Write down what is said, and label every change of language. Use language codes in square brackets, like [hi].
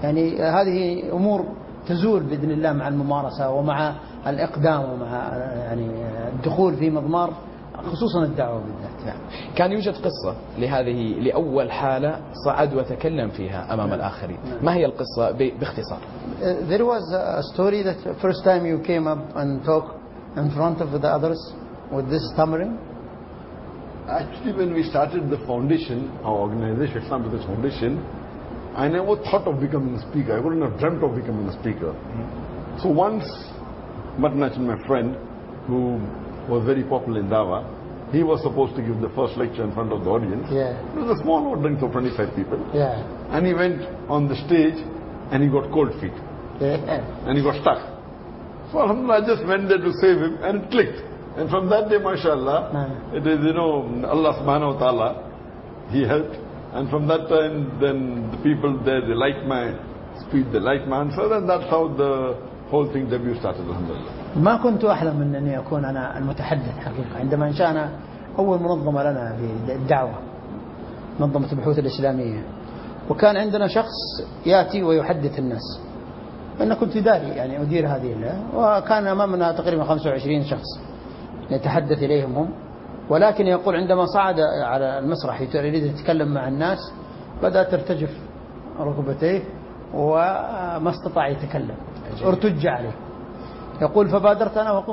[ar] يعني هذه أمور تزول بإذن الله مع الممارسة ومع الإقدام ومع يعني الدخول في مضمار خصوصا الدعوة بالذات كان يوجد قصة لهذه لأول حالة صعد وتكلم فيها أمام الآخرين ما هي القصة باختصار [en] There was a story that first time you came up and talk in front of the others with this stammering Actually when we started the foundation our organization started this foundation I never thought of becoming a speaker. I wouldn't have dreamt of becoming a speaker. So once, Matnachin, my friend, who was very popular in Dawah, he was supposed to give the first lecture in front of the audience. Yeah. It was a small audience of 25 people. Yeah. And he went on the stage and he got cold feet. Yeah. And he got stuck. So Alhamdulillah, I just went there to save him and it clicked. And from that day, mashallah, it is, you know, Allah subhanahu wa ta'ala, He helped. And from that time, then the people there, they like my speech, they like my answer, and that's how the whole thing debut started, alhamdulillah. [ar] ما كنت أحلم من أني أكون أنا المتحدث حقيقة عندما انشأنا أول منظمة لنا في الدعوة منظمة البحوث الإسلامية وكان عندنا شخص يأتي ويحدث الناس أنا كنت داري يعني أدير هذه الله وكان أمامنا تقريبا 25 شخص نتحدث إليهم هم ولكن يقول عندما صعد على المسرح يريد يتكلم مع الناس بدأ ترتجف ركبتيه وما استطاع يتكلم ارتج عليه يقول فبادرت أنا